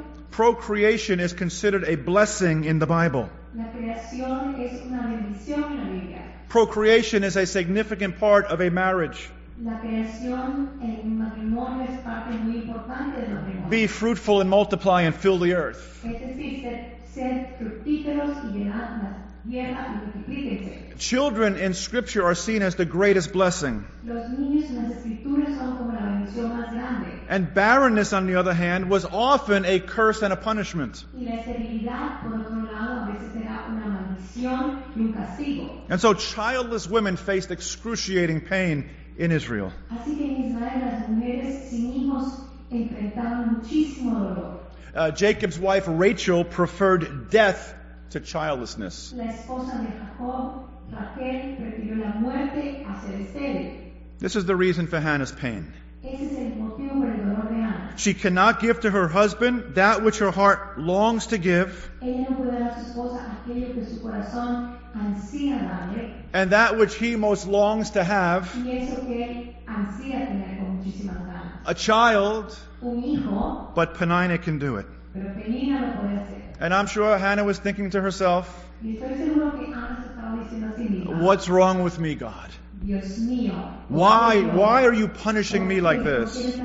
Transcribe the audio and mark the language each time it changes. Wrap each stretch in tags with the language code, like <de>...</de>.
<en>Procreation is considered a blessing in the Bible.</en> <es>La creación es una bendición en la Biblia.</es> <en>Procreation is a significant part of a marriage.</en> <es>La creación, el matrimonio es parte muy importante del matrimonio.</es> <en>Be fruitful and multiply and fill the earth.</en> <es>Es decir, ser fructíferos y llenar la tierra y multiplíquense.</es> <en>Children in Scripture are seen as the greatest blessing.</en> <es>Los niños en las escrituras son como la bendición más grande.</es> <en>And barrenness, on the other hand, was often a curse and a punishment.</en> <es>Y la esterilidad, por otro lado, a veces era una maldición y un castigo.</es> <en>And so childless women faced excruciating pain in Israel.</en> <es>Así que en Israel las mujeres sin hijos enfrentaban muchísimo dolor.</es> <en>Jacob's wife Rachel preferred death to childlessness.</en> <es>La esposa de Jacob, Raquel, prefirió la muerte a ser estéril.</es> <en>This is the reason for Hannah's pain.</en> <es>Ese es el motivo por el dolor de Ana.</es> <en>She cannot give to her husband that which her heart longs to give.</en> <es>Ella no puede dar a su esposa aquello que su corazón ansía darle.</es> <en>And that which he most longs to have.</en> <es>Y eso que ansía tener con muchísima ganas.</es> <en>A child.</en> <es>Un hijo.</es> <en>But Penina can do it.</en> <es>Pero Penina lo puede hacer.</es> <en>And I'm sure Hannah was thinking to herself,</en> <es>y estoy seguro que Ana se estaba diciendo a sí misma,</es> <en>what's wrong with me, God?</en> <es>Dios mío.</es> <en>Why are you punishing me like this?</en>